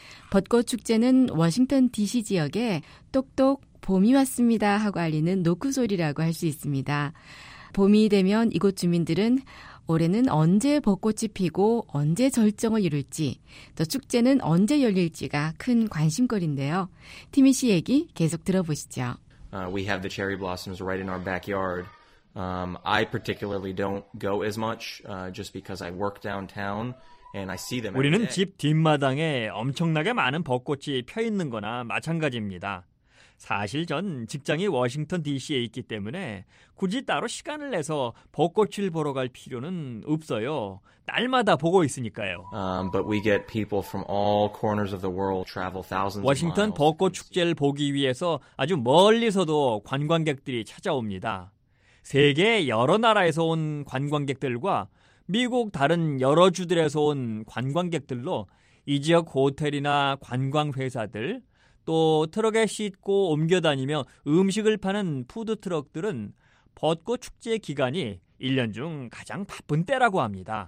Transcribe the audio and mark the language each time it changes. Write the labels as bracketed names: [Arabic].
[Korean] 벚꽃 축제는 워싱턴 DC 지역에 똑똑 봄이 왔습니다 하고 알리는 노크 소리라고 할 수 있습니다. 봄이 되면 이곳 주민들은 올해는 언제 벚꽃이 피고 언제 절정을 이룰지 또 축제는 언제 열릴지가 큰 관심거리인데요. 티미 씨 얘기 계속 들어보시죠. [English] We have the cherry blossoms right in our backyard. I particularly don't go as much just because I work downtown and I see them. [Korean] 우리는 집 뒷마당에 엄청나게 많은 벚꽃이 펴 있는 거나 마찬가지입니다. 사실 전 직장이 워싱턴 DC에 있기 때문에 굳이 따로 시간을 내서 벚꽃을 보러 갈 필요는 없어요. 날마다 보고 있으니까요. [English] But we get people from all corners of the world travel thousands of miles. [Korean] 워싱턴 벚꽃 축제를 보기 위해서 아주 멀리서도 관광객들이 찾아옵니다. 세계 여러 나라에서 온 관광객들과 미국 다른 여러 주들에서 온 관광객들로 이 지역 호텔이나 관광 회사들 또 트럭에 싣고 옮겨다니며 음식을 파는 푸드트럭들은 벚꽃 축제 기간이 1년 중 가장 바쁜 때라고 합니다.